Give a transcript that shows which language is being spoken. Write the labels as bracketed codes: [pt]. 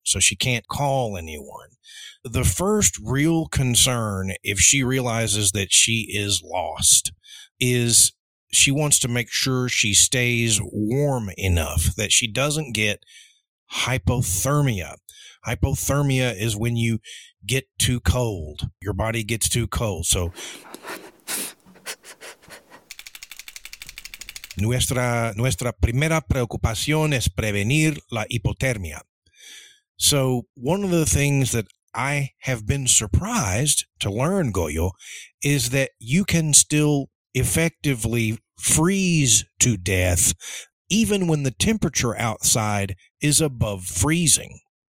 [en] So she can't call anyone. The first real concern, if she realizes that she is lost, is she wants to make sure she stays warm enough that she doesn't get hypothermia. Hypothermia is when you get too cold, your body gets too cold. [es] So Nuestra primera preocupación es prevenir la hipotermia. [en] So one of the things that I have been surprised to learn, Goyo, is that you can still effectively freeze to death even when the temperature outside is above freezing.